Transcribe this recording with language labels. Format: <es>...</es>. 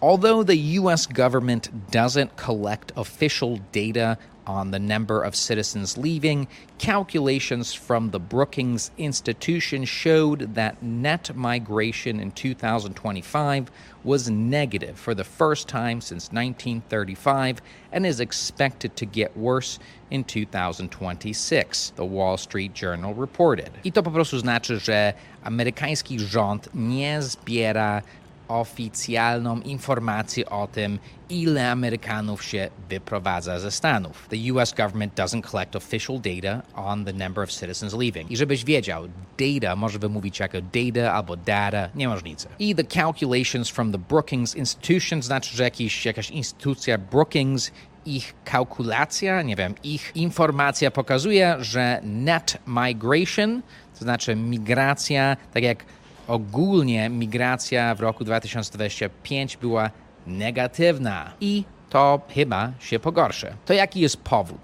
<en>Although the US government doesn't collect official data on the number of citizens leaving, calculations from the Brookings Institution showed that net migration in 2025 was negative for the first time since 1935 and is expected to get worse in 2026, the Wall Street Journal reported.</en> <pl>I to po prostu znaczy, że amerykański rząd nie zbiera oficjalną informację o tym, ile Amerykanów się wyprowadza ze Stanów.</pl> <en>The US government doesn't collect official data on the number of citizens leaving.</en> <pl>I żebyś wiedział, data może wymówić jako data albo data, nie ma różnicy. I</pl> <en>the calculations from the Brookings Institution,</en> <pl>znaczy, że jakaś instytucja Brookings, ich kalkulacja, nie wiem, ich informacja pokazuje, że net migration, to znaczy migracja, tak jak ogólnie migracja w roku 2025 była negatywna i to chyba się pogorszy. To jaki jest powód?</pl>